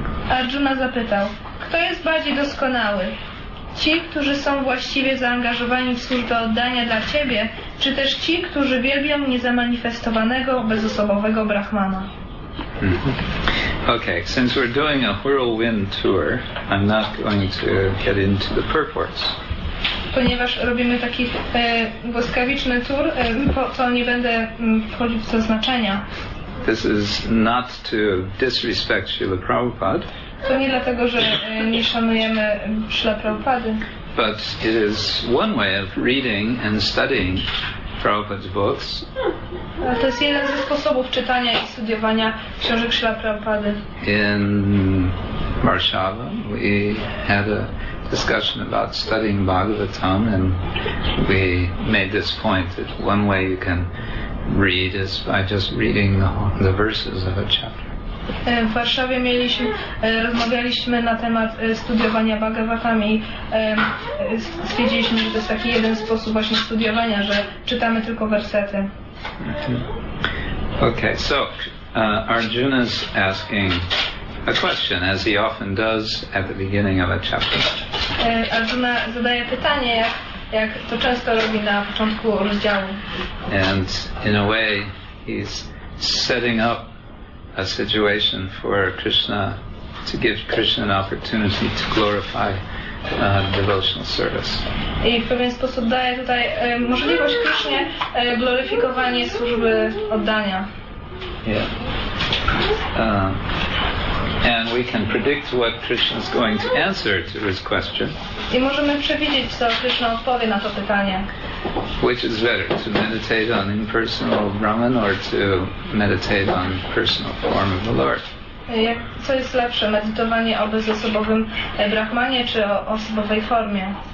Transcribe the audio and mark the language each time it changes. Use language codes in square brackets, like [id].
[pl] Arjuna zapytał, kto jest bardziej doskonały? Ci, którzy są właściwie zaangażowani w służbę oddania dla Ciebie, czy też ci, którzy wielbią niezamanifestowanego, bezosobowego Brahmana? [en] Okay, since we're doing a whirlwind tour, I'm not going to get into the purports. [pl] Ponieważ robimy taki błyskawiczny tour, to nie będę wchodzić w to znaczenia. [en] This is not to disrespect Śrīla Prabhupāda. [pl] To nie dlatego, że nie szanujemy Śrīla Prabhupāda. [en] But it is one way of reading and studying Prabhupāda's books. [pl] A to jest jeden ze sposobów czytania i studiowania książek Śrīla Prabhupāda. [en] In Warszawa we had a discussion about studying Bhagavatam, and we made this point that one way you can read is by just reading the verses of a chapter. [pl] W Warszawie rozmawialiśmy na temat studiowania Bhagavatam i stwierdziliśmy, że to jest taki jeden sposób właśnie studiowania, że czytamy tylko wersety. [en] Okay, so Arjuna's asking a question, as he often does at the beginning of a chapter. [pl] Arjuna zadaje pytanie, jak to często robi na początku rozdziału. [en] And in a way, he's setting up a situation for Krishna to give Krishna an opportunity to glorify devotional service. [pl] I w pewien sposób daje tutaj możliwość Krishna gloryfikowanie służby oddania. [en] Yeah. And we can predict what Krishna is going to answer to his question. [pl] I możemy przewidzieć, co Krishna odpowie na to pytanie. [en] Which is better, to meditate on impersonal Brahman or to meditate on personal form of the Lord? [pl] Co jest lepsze, medytowanie o bezosobowym Brahmanie czy o osobowej formie?